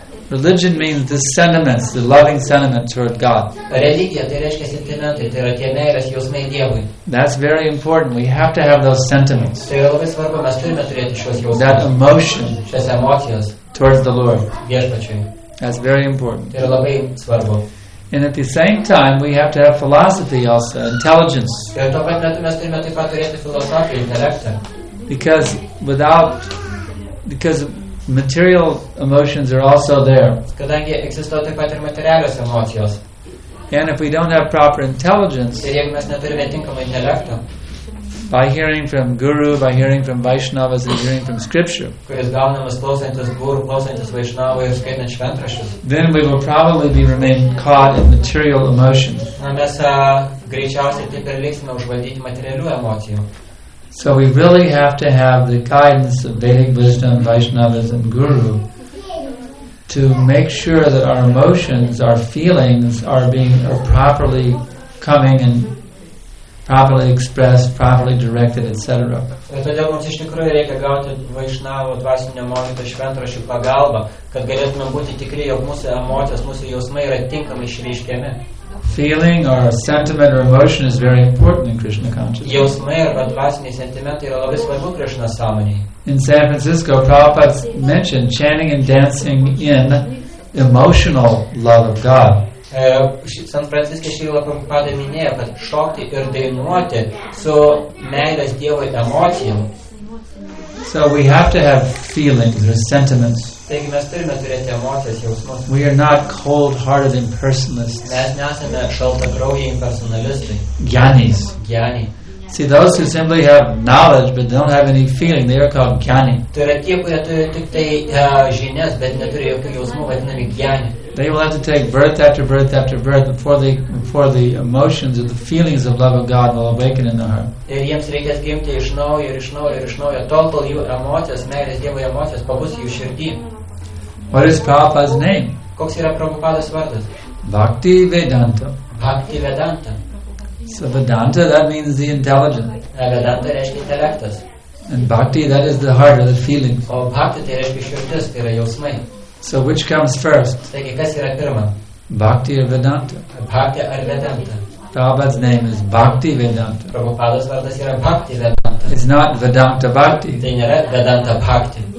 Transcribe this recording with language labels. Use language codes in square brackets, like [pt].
[en] Religion means the sentiments, the loving sentiment toward God. [lt] Religija, tai reiškia sentimentai, tai yra tie meilės jausmai Dievui. [en] That's very important. We have to have those sentiments. [lt] Tai yra labai svarbu, mes turime turėti šios jausmus. [en] That emotion. [lt] Šios emocijos. [en] Towards the Lord. [lt] Viešpačiui. [en] That's very important. [lt] Tai yra labai svarbu. [en] And at the same time, we have to have philosophy also, intelligence. [lt] Ir tuo pat metu mes turime taip pat turėti filosofiją, intelektą. [en] Because material emotions are also there. [lt] Kadangi egzistuoja taip pat ir materialios emocijos. [en] And if we don't have proper intelligence, [lt] ir jeigu mes neturime tinkamą intelektą, [en] by hearing from guru, by hearing from Vaishnavas, and hearing from scripture, [lt] kuris gaunamas klausantis guru, klausantis Vaishnavo ir skaitant šventraščius, [en] then we will probably be remain caught in material emotions. [lt] Mes greičiausiai taip ir liksime užvaldyti materialių emocijų. [en] So we really have to have the guidance of Vedic wisdom, Vaishnavas and Guru to make sure that our emotions, our feelings are properly coming and properly expressed, properly directed, etc. [lt] Todėl mums iš tikrųjų reikia gauti Vaishnavo dvasinio mokyto šventraščių pagalbą, kad galėtume būti tikri, jog mūsų emocijos, mūsų jausmai yra tinkamai išreiškiami. [en] Feeling or a sentiment or emotion is very important in Krishna consciousness. [lt] Jausmai arba dvasiniai sentimentai yra labai svarbu Krishna sąmonėje. [en] In San Francisco, Prabhupada mentioned chanting and dancing in emotional love of God. [lt] San Francisco Srila Prabhupada minėjo, kad šokti ir dainuoti su meilės Dievui emocijom. [en] So we have to have feelings or sentiments. [lt] Taigi mes turime turėti emocijas, jausmus. [en] We are not cold-hearted impersonalists. [lt] Mes nesame šaltakraujai impersonalistai. [en] Gyanis. [lt] Gyani. [en] See, those who simply have knowledge but don't have any feeling, they are called gyani. [lt] Tai yra tie, kurie turi tik tai žinias, bet neturi jokių jausmų, vadinami gyani. [en] They will have to take birth after birth after birth before the emotions or the feelings of love of God will awaken in the heart. [lt] Ir jiems reikės gimti iš naujo ir iš naujo ir iš naujo, tol kol jų emocijos, meilės Dievui emocijos, pabus jų širdy. [en] What is Prabhupada's name? [lt] Koks yra Prabhupada's vardas? [en] Bhakti Vedanta. [lt] Bhakti Vedanta. [en] So Vedanta, that means the intelligent. [lt] Vedanta reiškia intelektas. [en] And Bhakti, that is the heart or the feelings. [lt] O Bhakti, tai reiškia širdis, tai yra jausmai. [en] So which comes first? [lt] Taigi, kas yra pirma? [en] Bhakti or Vedanta? [lt] Bhakti ar Vedanta? [en] Prabhupada's name is Bhakti Vedanta. [lt] Prabhupada's vardas yra Bhakti Vedanta. [en] It's not Vedanta Bhakti. [lt] Tai nėra Vedanta Bhakti.